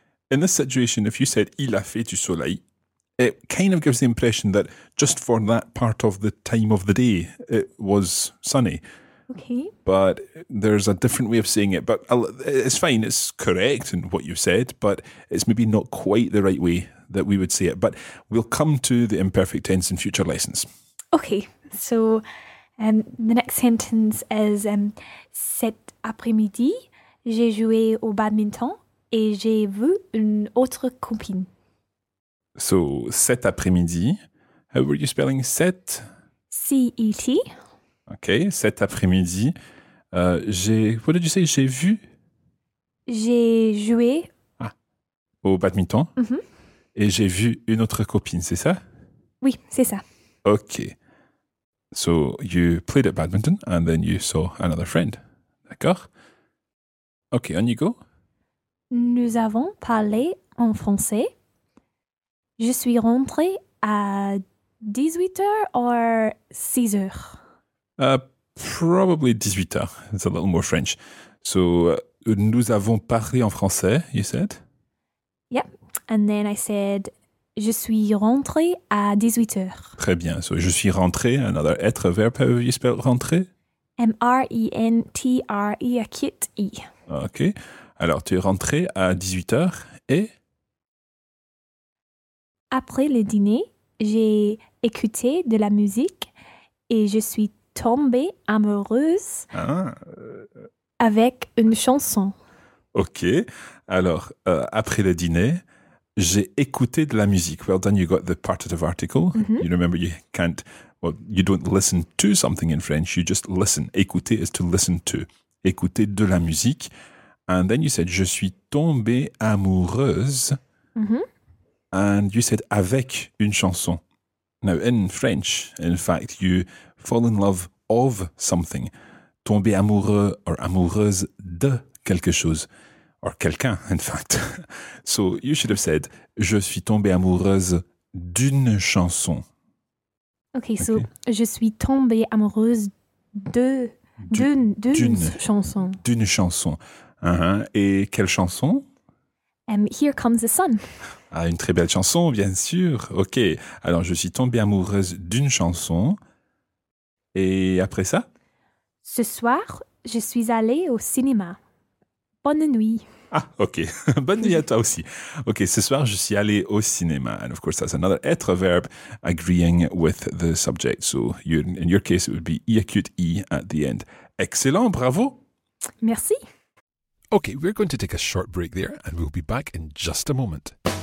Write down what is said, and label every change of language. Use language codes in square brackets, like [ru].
[en] In this situation, if you said, [fr] il a fait du soleil, [en] it kind of gives the impression that just for that part of the time of the day, it was sunny. Okay. But there's a different way of saying it. But it's fine, it's correct in what you said, but it's maybe not quite the right way that we would say it. But we'll come to the imperfect tense in future lessons. Okay, so the next sentence is, [fr] cet après-midi, j'ai joué au badminton et j'ai vu une autre copine. [en] So, [fr] cet après-midi, [en] how were you spelling cet? C-E-T. Okay, [fr] cet après-midi, [en] what did you say, [fr] j'ai vu? J'ai joué. Ah, au badminton. Mm-hmm. Et j'ai vu une autre copine, c'est ça? Oui, c'est ça. [en] Okay. So, you played at badminton and then you saw another friend. [fr] D'accord? [en] Okay, on you go. [fr] Nous avons parlé en français. Je suis rentré à 18h or 6h? [en] Probably 18h. It's a little more French. So, [fr] nous avons parlé en français, [en] you said? Yep. And then I said, [fr] je suis rentré à 18h. Très bien. [en] So, [fr] je suis rentré, [en] another être verb. How do you spell rentré? M-R-E-N-T-R-E, acute E. [fr] OK. Alors, tu es rentré à 18h et? Après le dîner, j'ai écouté de la musique et je suis tombée amoureuse avec une chanson. [en] OK. [fr] Alors, après le dîner, j'ai écouté de la musique. [en] Well done, you got the partitive article. Mm-hmm. You remember you can't, well, you don't listen to something in French, you just listen. [fr] Écouter [en] is to listen to. [fr] Écouter de la musique. [en] And then you said, [fr] je suis tombée amoureuse. Mm-hmm. [en] And you said, [fr] avec une chanson. [en] Now, in French, in fact, you fall in love of something. [fr] Tomber amoureux or amoureuse de quelque chose. [en] Or quelqu'un, in fact. So you should have said, [fr] je suis tombée amoureuse d'une chanson. [en] Okay, so [fr] je suis tombée amoureuse d'une chanson. D'une chanson. Uh-huh. Et quelle chanson? [en] Here Comes the Sun. [fr] Ah, une très belle chanson, bien sûr. Okay, alors je suis tombée amoureuse d'une chanson. Et après ça? Ce soir, je suis allée au cinéma. Bonne nuit. Ah, ok. Bonne nuit à toi aussi. Ok, ce soir, je suis allé au cinéma. [en] And of course, that's another être verb agreeing with the subject. So, in your case, it would be I acute I at the end. Excellent, bravo. [fr] Merci. [en] Ok, we're going to take a short break there and we'll be back in just a moment.